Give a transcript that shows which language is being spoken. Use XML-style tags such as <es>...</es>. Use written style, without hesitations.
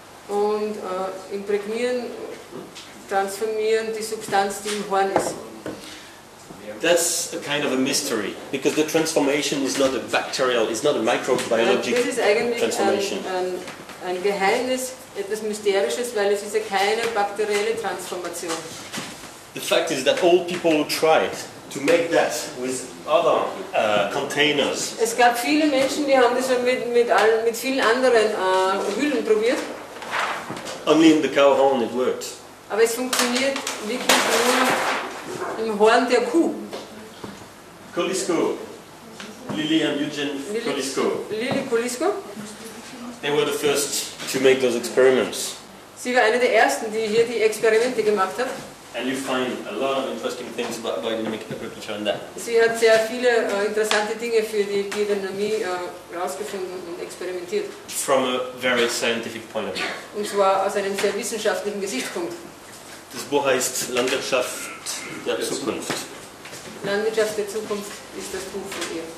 <de>Und imprägnieren, transformieren die Substanz, die im Horn ist.</de> <en>That's a kind of a mystery, because the transformation is not a bacterial, it's not a microbiological transformation.</en> <de>Das ist eigentlich ein Geheimnis, etwas Mysterisches, weil es ist ja keine bakterielle Transformation.</de> <en>The fact is that all people tried to make that with other containers.</en> <de>Es gab viele Menschen, die haben das schon mit vielen anderen Hüllen probiert.</de> <en>Only in the cow horn it worked.</en> <de>Aber es funktioniert wirklich nur im Horn der Kuh.</de> <en>Colisco, Lily and Eugene Colisco.</en> <de>Lily Colisco.</de> <en>They were the first to make those experiments.</en> <de>Sie war eine der ersten, die hier die Experimente gemacht hat.</de> <en>And you find a lot of interesting things about biodynamic agriculture in that.</en> <de>Sie hat sehr viele interessante Dinge für die Biodynamie herausgefunden und experimentiert.</de> <en>From a very scientific point of view.</en> <de>Und zwar aus einem sehr wissenschaftlichen Gesichtspunkt. Das Buch heißt Landwirtschaft der Zukunft. Landwirtschaft der Zukunft ist das Buch von ihr.</de>